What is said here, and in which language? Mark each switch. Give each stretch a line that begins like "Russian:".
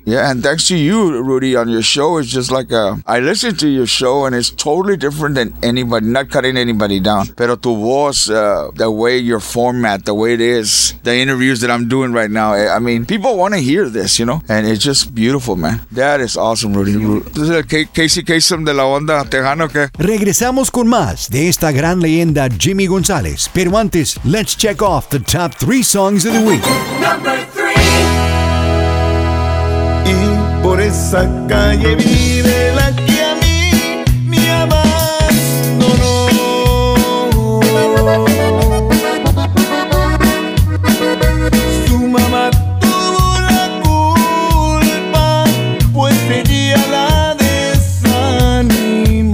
English: Yeah, and thanks to you, Rudy, on your show. It's just like I listen to your show, and it's totally different than anybody, not cutting anybody down.
Spanish: Pero tu voz,
English: the way your format, the way it is, the interviews that I'm doing right now, I mean, people want to hear this, you know? And it's just beautiful, man. That is awesome, Rudy.
Spanish: Casey Kasem de la onda Tejano, ¿qué? Regresamos con más de esta gran leyenda, Jimmy González. Pero antes,
English: let's check off the top three songs of the week. Number three.
Spanish: Y por esa calle vive la que a mí me abandonó. Su mamá tuvo la culpa, pues ella la desanimó.